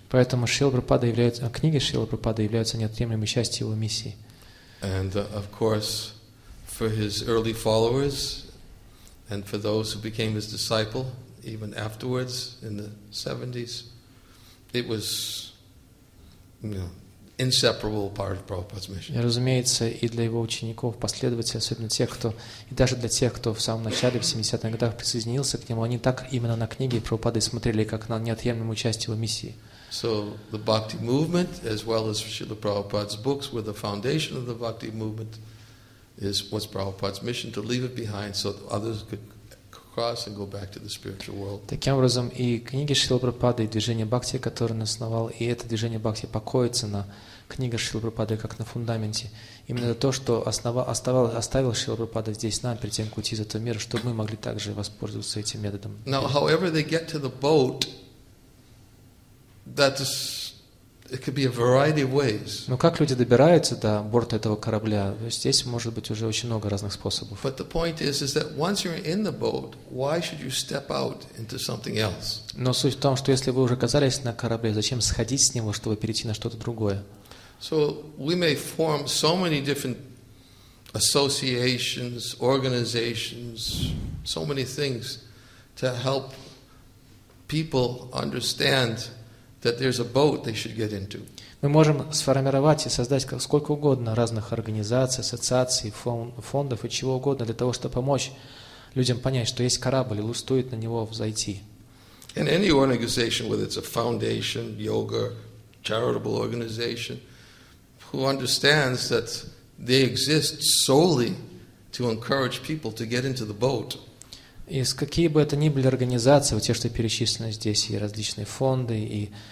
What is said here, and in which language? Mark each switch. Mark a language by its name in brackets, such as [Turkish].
[Russian] Поэтому книги Шрилы Прабхупады являются неотъемлемой частью его миссии. [English] And of course, for his early followers and for those who became his disciple even afterwards in the 70s, it was, you know, inseparable part of Prabhupada's mission. [Russian] И, разумеется, и для его учеников, последователей, особенно тех, кто, и даже для тех, кто в самом начале, в 70-х годах присоединился к нему, они так именно на книги Прабхупады смотрели, как на неотъемлемую часть его миссии. [English] So the bhakti movement, as well as Srila Prabhupada's books, were the foundation of the bhakti movement. Is what's Prabhupada's mission to leave it behind so that others could cross and go back to the spiritual world. [Russian] Таким образом, и книги Шрилы Прабхупады, и движение бхакти, которое он основал, и это движение бхакти покоится на книгах Шрилы Прабхупады как на фундаменте. Именно то, что оставил Шрилу Прабхупада здесь нам перед тем, как уйти из этого мира, чтобы мы могли также воспользоваться этим методом. [English] Now, however they get to the boat, that is, it could be a variety of ways. [Russian] Но как люди добираются до борта этого корабля? Здесь может быть уже очень много разных способов. [English] But the point is that once you're in the boat, why should you step out into something else? [Russian] Но суть в том, что если вы уже оказались на корабле, зачем сходить с него, чтобы перейти на что-то другое? [English] So we may form so many different associations, organizations, so many things to help people understand that there's a boat they should get into. [Russian] Мы можем сформировать и создать сколько угодно разных организаций, ассоциаций, фондов и чего угодно для того, чтобы помочь людям понять, что есть корабль, и лучше стоит на него взойти. [English] And any organization, whether it's a foundation, yoga, charitable organization, who understands that they exist solely to encourage people to get into the boat. [Russian] И какие бы это ни были организации, вот те, что перечислены здесь, и различные фонды, и